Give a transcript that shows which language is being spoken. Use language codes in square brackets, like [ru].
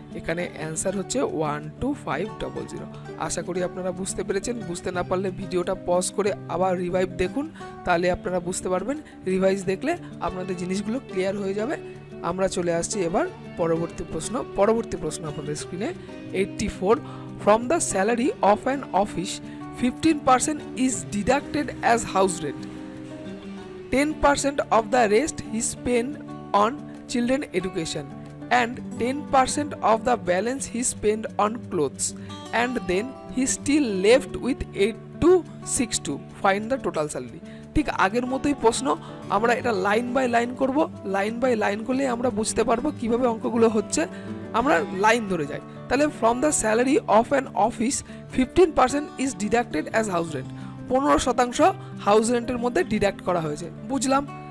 [bn] এখানে অ্যান্সার হচ্ছে 12500। আশা করি আপনারা বুঝতে পেরেছেন। বুঝতে না পারলে ভিডিওটা পজ করে আবার রিভাইভ দেখুন, তাহলে আপনারা বুঝতে পারবেন। রিভাইজ দেখলে আপনাদের জিনিসগুলো ক্লিয়ার হয়ে যাবে। আমরা চলে আসছি এবার পরবর্তী প্রশ্ন। পরবর্তী প্রশ্ন আপনাদের স্ক্রিনে 84। [en] From the salary of an office, 15% is deducted as house rent, 10% of the rest he spend on children education and 10% of the balance he spend on clothes and then he still left with 8262. Find the total salary. [bn] ঠিক আগের মতোই প্রশ্ন, আমরা এটা line by line করব। Line by line করলে আমরা বুঝতে পারবো কিভাবে অঙ্কগুলো হচ্ছে। আমরা লাইন ধরে যাই, তাহলে [en] from the salary of an office 15% is deducted as house rent, [bn] 15% house রেন্টের মধ্যে ডিডাক্ট করা হয়েছে, বুঝলাম।